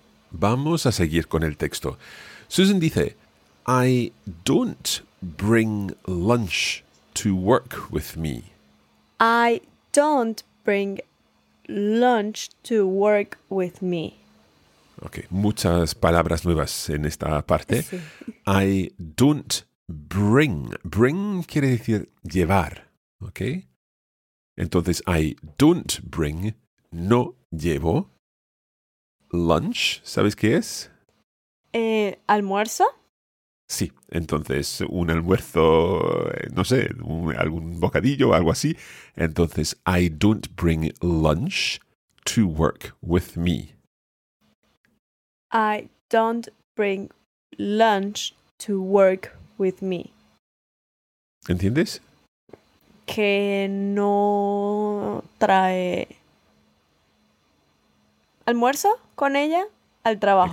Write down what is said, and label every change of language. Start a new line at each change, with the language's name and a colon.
Spanish: Vamos a seguir con el texto.
English: Susan
Spanish: dice,
English: I don't bring lunch to work with me. I don't bring lunch to work with me.
Spanish: Ok, muchas palabras nuevas en esta parte. Sí.
English: I don't bring.
Spanish: Bring quiere decir llevar, ok. Entonces,
English: I don't bring,
Spanish: no llevo. Lunch, ¿sabes qué es? ¿Almuerzo? Sí, entonces un almuerzo, no sé, algún bocadillo o algo así. Entonces,
English: I don't bring lunch to work with me. I don't bring lunch to work with me.
Spanish: ¿Entiendes? Que no trae almuerzo con ella al trabajo.